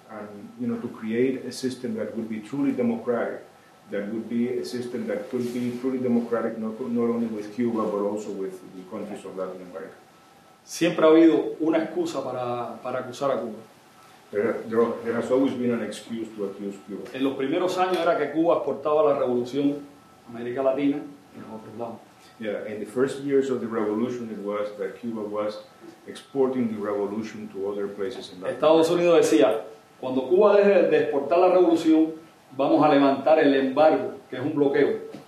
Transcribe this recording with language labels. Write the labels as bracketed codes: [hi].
[en] and, you know, to create a system that would be truly democratic, that would be a system that could be truly democratic not only with Cuba, but also with the countries of Latin America. [es] Siempre ha habido una excusa para acusar a Cuba. [en] There has always been an excuse to accuse Cuba. [es] En los primeros años era que Cuba exportaba la revolución a América Latina y a otros lados. [en] Yeah, in the first years of the revolution, it was that Cuba was exporting the revolution to other places in Latin America. [es] Estados Unidos decía, cuando Cuba deje de exportar la revolución, vamos a levantar el embargo, que es un bloqueo.